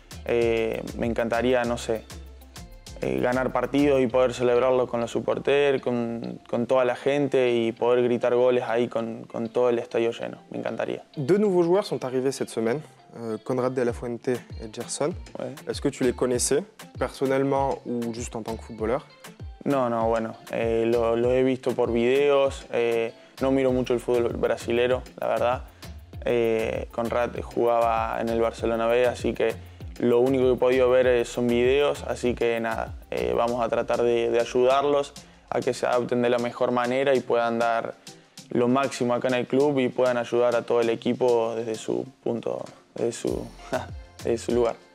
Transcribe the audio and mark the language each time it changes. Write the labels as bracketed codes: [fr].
[es] Me encantaría, no sé, ganar partidos y poder celebrarlo con los supporters, con toda la gente y poder gritar goles ahí con todo el estadio lleno. Me encantaría. [fr] Deux nouveaux joueurs sont arrivés cette semaine, Conrad de la Fuente et Gerson. Ouais. Est-ce que tu les connaissais personnellement ou juste en tant que footballeur? [es] No, bueno, lo he visto por videos. No miro mucho el fútbol brasilero, la verdad. Conrad jugaba en el Barcelona B, así que lo único que he podido ver son videos, así que nada, vamos a tratar de ayudarlos a que se adapten de la mejor manera y puedan dar lo máximo acá en el club y puedan ayudar a todo el equipo desde su punto, desde su lugar.